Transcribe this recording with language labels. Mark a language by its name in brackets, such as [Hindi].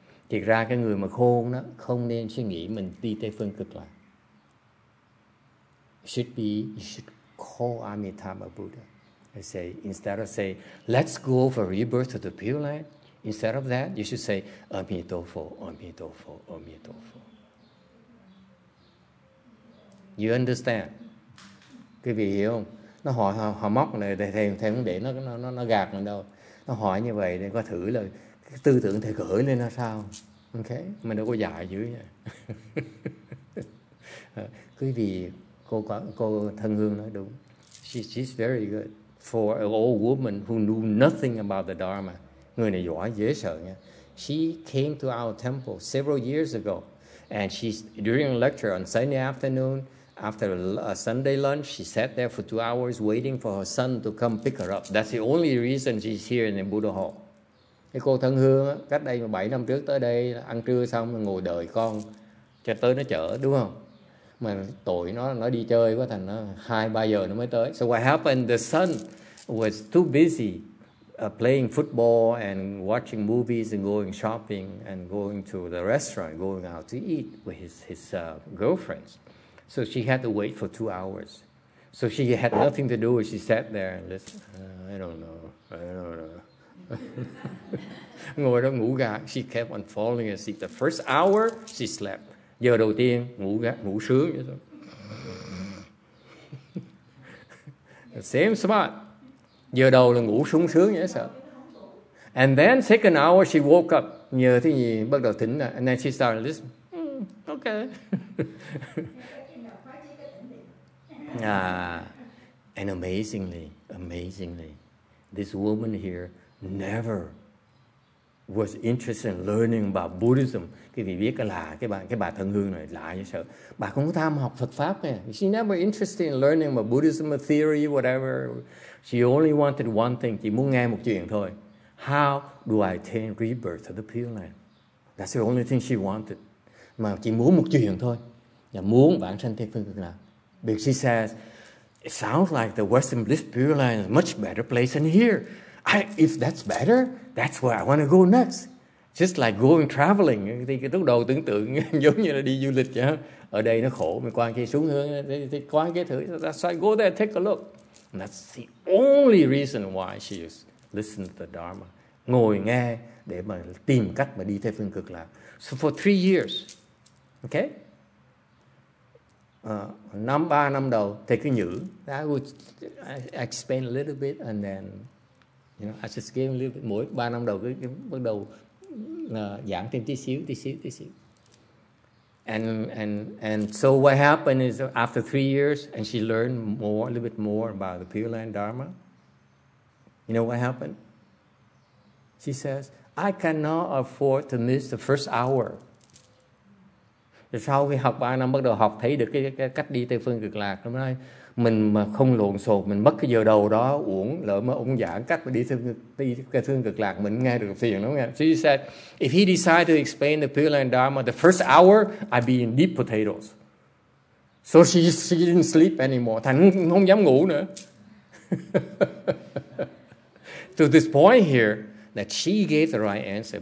[Vietnamese] Thì ra cái người mà khôn đó không nên suy nghĩ mình đi tới phương cực lạc. [English] You should call Amitabha Buddha and say, instead of say, let's go for rebirth of the Pure Land, instead of that, you should say, Amitabha, Amitabha, Amitabha. You understand? [Vietnamese] Quý vị hiểu không? Nó hỏi, họ móc này, thầy không để nó gạt mình đâu. Nó hỏi như vậy, để có thử là tư tưởng thầy gửi lên nó sao? Okay? Mình đâu có dạy dữ vậy. Quý vị, cô thân hương nói đúng. [English] She's very good for an old woman who knew nothing about the Dharma. [Vietnamese] Người này giỏi dễ sợ nha. [English] She came to our temple several years ago, and she's during a lecture on Sunday afternoon after a Sunday lunch. She sat there for 2 hours waiting for her son to come pick her up. That's the only reason she's here in the Buddha Hall. [Vietnamese] Cái cô thân hương cách đây 7 năm trước tới đây ăn trưa xong ngồi đợi con cho tới nó chở, đúng không? Mà tội nó đi chơi quá thành nó 2-3 giờ nó mới tới. [English] So what happened? The son was too busy playing football and watching movies and going shopping and going to the restaurant, going out to eat with his girlfriends. So she had to wait for 2 hours. So she had nothing to do. She sat there and listened. I don't know. [Vietnamese] Ngồi đó ngủ gà. [English] She kept on falling asleep. The first hour she slept. [Vietnamese] Giờ đầu tiên ngủ sướng vậy thôi. [English] Same spot. [Vietnamese] Giờ đầu là ngủ sung sướng vậy sợ. [English] And then second hour she woke up. [Vietnamese] Nhờ thứ gì bắt đầu tỉnh lại. [English] And then she started listening. Okay. And amazingly, this woman here never was interested in learning about Buddhism. [Vietnamese] Cái vị biết là cái bà thân hương này lạ như sợ. Bà không có tham học Phật pháp nè. [English] She never interested in learning about Buddhism or theory whatever. She only wanted one thing. [Vietnamese] Chỉ muốn nghe một chuyện thôi. [English] How do I attain rebirth of the Pure Land? That's the only thing she wanted. [Vietnamese] Mà chỉ muốn một chuyện thôi. Là muốn vãng sanh Tây Phương Cực Lạc. [English] Because she says, it sounds like the Western Bliss Pure Land is a much better place than here. If that's better, that's where I want to go next. Just like going traveling. [Vietnamese] Thì cái lúc đầu tưởng tượng giống như là đi du lịch vậy. Ở đây nó khổ, mình qua kia xuống hướng, thì qua kia thử. [English] So I go there, take a look. And that's the only reason why she is listening to the Dharma. [Vietnamese] Ngồi nghe để mà tìm cách mà đi theo phương cực lạc. [English] So for 3 years, okay? [Vietnamese] Ba năm đầu, thầy cứ nhử. [English] I explain a little bit and then, you know, I just gave a little bit more. [Vietnamese] 3 năm đầu cứ bắt đầu giảng thêm tí xíu. [English] And so what happened is after 3 years, and she learned more, a little bit more about the Pure Land Dharma. You know what happened? She says, I cannot afford to miss the first hour. [Vietnamese] Sau khi học 3 năm bắt đầu học thấy được cái cách đi Tây Phương Cực Lạc, hôm nay mình mà không lộn xộn, mình mất cái giờ đầu đó uổng, lỡ mà ông giảng cách mà đi Tây Phương Cực Lạc mình nghe được phiền đúng không? [English] She said, if he decided to explain the Pure Land Dharma the first hour, I'd be in deep potatoes. So she didn't sleep anymore. [Vietnamese] Thành không dám ngủ nữa. [English] To this point here, that she gave the right answer.